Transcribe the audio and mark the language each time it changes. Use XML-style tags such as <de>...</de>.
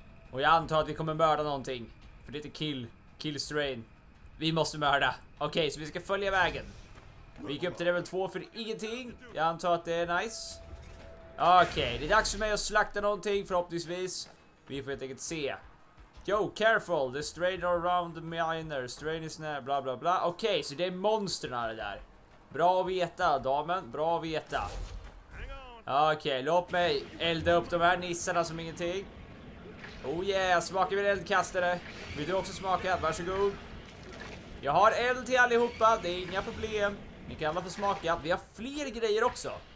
<sv>Och jag antar att vi kommer mörda någonting, för det är Killstrain. Vi måste mörda. Okej, så vi ska följa vägen. Vi gick upp till level 2 för ingenting. Jag antar att det är nice. Okej, det är dags för mig att slakta någonting förhoppningsvis. Vi får helt enkelt se.</sv> <en>Yo, careful, the strain around the miner, strain is near, bla bla bla.</en> <sv>Okej, så det är monsterna det där. Bra att veta, damen, bra att veta. Okej, låt mig elda upp de här nissarna som ingenting.</sv> <en>Oh yeah,</en> <sv>smakar vi eldkastare? Vill du också smaka? Varsågod. Jag har eld till allihopa, det är inga problem. Ni kan alla få smaka, vi har fler grejer också.</sv>